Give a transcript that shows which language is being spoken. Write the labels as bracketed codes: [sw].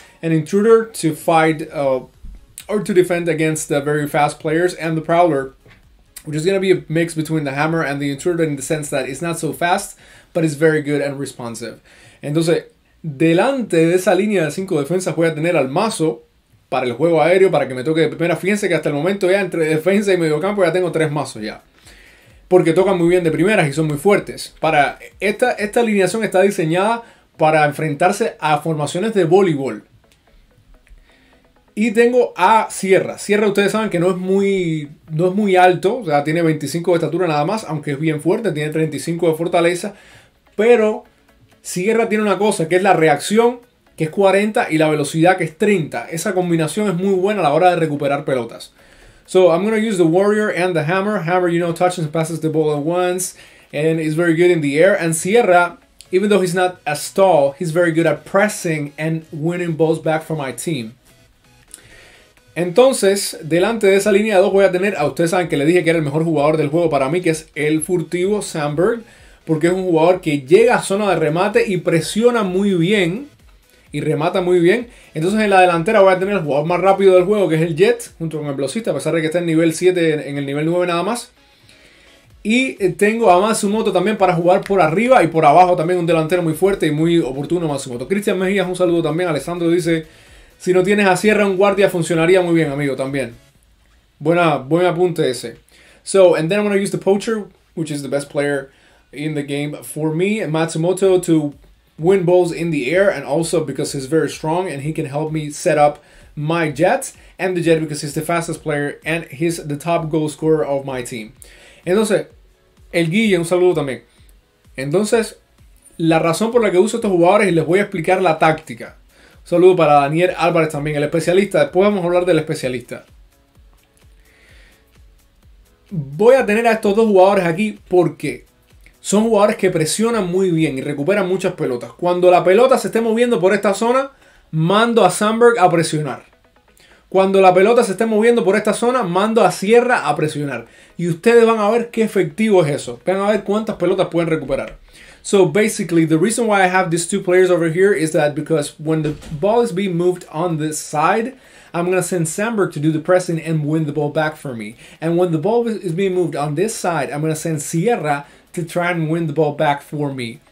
[en] An intruder to fight or to defend against the very fast players, and the prowler, which is going to be a mix between the hammer and the intruder in the sense that it's not so fast, but it's very good and responsive. [es] Entonces, delante de esa línea de cinco defensas voy a tener al mazo para el juego aéreo, para que me toque de primera. Fíjense que hasta el momento ya entre defensa y mediocampo ya tengo tres mazos ya. Porque tocan muy bien de primeras y son muy fuertes. Para esta alineación está diseñada para enfrentarse a formaciones de voleibol. Y tengo a Sierra. Sierra, ustedes saben que no es muy alto. O sea, tiene 25 de estatura nada más. Aunque es bien fuerte. Tiene 35 de fortaleza. Pero Sierra tiene una cosa. Que es la reacción, que es 40. Y la velocidad, que es 30. Esa combinación es muy buena a la hora de recuperar pelotas. [en] So, I'm going to use the Warrior and the Hammer. Hammer, you know, touches and passes the ball at once. And is very good in the air. And Sierra, even though he's not as tall, he's very good at pressing and winning balls back for my team. [es] Entonces, delante de esa línea 2 voy a tener a, ustedes saben que le dije que era el mejor jugador del juego para mí, que es el furtivo Sandberg, porque es un jugador que llega a zona de remate y presiona muy bien y remata muy bien. Entonces en la delantera voy a tener el jugador más rápido del juego, que es el Jet, junto con el velocista, a pesar de que está en nivel 7, en el nivel 9 nada más. Y tengo a Matsumoto también para jugar por arriba y por abajo, también un delantero muy fuerte y muy oportuno Matsumoto. Cristian Mejías, un saludo también. Alessandro dice, si no tienes a Sierra un guardia, funcionaría muy bien, amigo, también. Buen apunte ese. [en] So, and then I'm going to use the Poacher, which is the best player in the game for me, Matsumoto, to win balls in the air, and also because he's very strong and he can help me set up my Jet, and the Jet because he's the fastest player and he's the top goal scorer of my team. [es] Entonces, el Guille, un saludo también. Entonces, la razón por la que uso estos jugadores, y les voy a explicar la táctica. Saludo para Daniel Álvarez también, el especialista. Después vamos a hablar del especialista. Voy a tener a estos dos jugadores aquí porque son jugadores que presionan muy bien y recuperan muchas pelotas. Cuando la pelota se esté moviendo por esta zona, mando a Sandberg a presionar. Cuando la pelota se esté moviendo por esta zona, mando a Sierra a presionar. Y ustedes van a ver qué efectivo es eso. Van a ver cuántas pelotas pueden recuperar. [en] So basically, the reason why I have these two players over here is that because when the ball is being moved on this side, I'm going to send Sandberg to do the pressing and win the ball back for me. And when the ball is being moved on this side, I'm going to send Sierra to try and win the ball back for me.